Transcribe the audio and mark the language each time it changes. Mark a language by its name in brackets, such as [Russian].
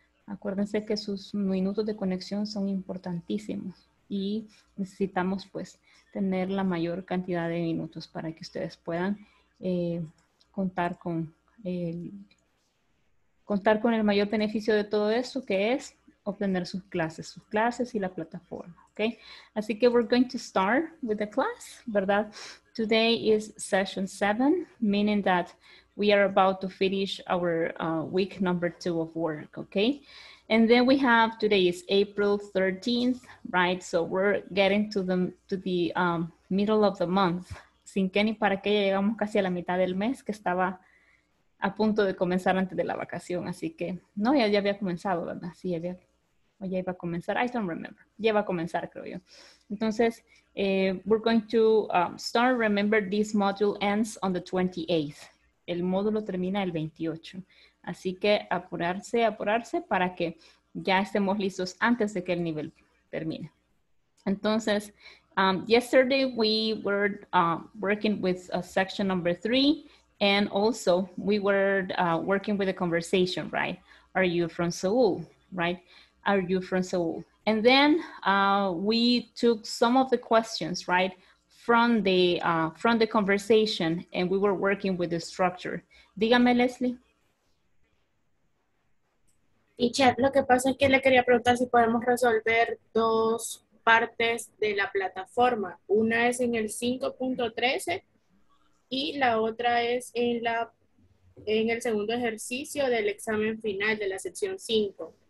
[Spanish] Acuérdense que sus minutos de conexión son importantísimos y necesitamos, pues, tener la mayor cantidad de minutos para que ustedes puedan contar con el mayor beneficio de todo esto, que es obtener sus clases y la plataforma, ¿ok? Así que [English] we're going to start with the class, [Spanish] ¿verdad? [English] Today is session 7, meaning that we are about to finish our week number 2 of work, okay? And then we have, today is April 13th, right? So we're getting to the middle of the month. [Spanish] Sin qué ni para qué, ya llegamos casi a la mitad del mes que estaba a punto de comenzar antes de la vacación. Así que, no, ya había comenzado, ¿verdad? Sí, ya iba a comenzar. [English] I don't remember. [Spanish] Ya iba a comenzar, creo yo. Entonces, [English] we're going to start. Remember, this module ends on the 28th. [Spanish] El módulo termina el 28. Así que apurarse para que ya estemos listos antes de que el nivel termine. [English] Entonces, yesterday we were working with section number 3. And also, we were working with a conversation, right? Are you from Seoul, right? Are you from Seoul? And then we took some of the questions, right? From the conversation, and we were working with the structure. [Spanish] Dígame, Leslie. Teacher, lo que pasa es que le quería preguntar si podemos resolver dos partes de la plataforma. Una es en el 5.13 y la otra es en el segundo ejercicio del examen final de la sección 5.